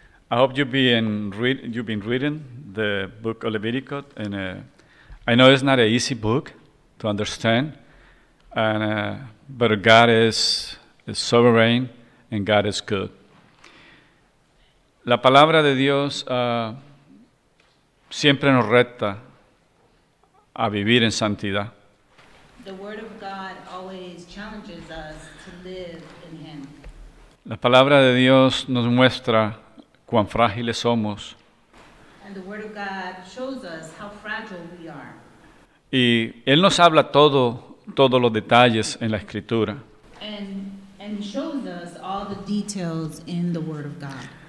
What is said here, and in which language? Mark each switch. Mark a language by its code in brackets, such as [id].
[en] I hope you've been reading the book of Leviticus, and I know it's not an easy book to understand, but God is sovereign and God is good. [es] La palabra de Dios siempre nos reta a vivir en santidad. [en] The word of God always challenges us to live in Him. [es] La palabra de Dios nos muestra cuán frágiles somos. [en] And the word of God shows us how fragile we are. [es] Y Él nos habla todos los detalles en la Escritura. [en] And shows us all the details in the word of God.